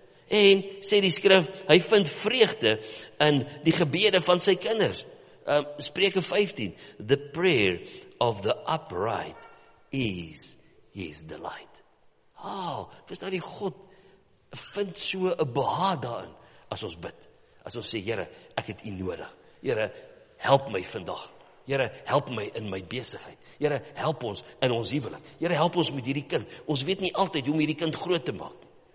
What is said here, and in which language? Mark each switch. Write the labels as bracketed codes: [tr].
[af] En, sê die skrif, hy vind vreugde in die gebede van sy kinders. [en] Spreuke 15, The prayer of the upright is his delight. [af] Verstaan die God vind so 'n beha daarin as ons bid. As ons sê, Here, ek het U nodig. Here, help my vandag. Here, help my in my besigheid. Here, help ons in ons huwelik. Here, help ons met hierdie kind. Ons weet nie altyd hoe om hierdie kind groot te maak.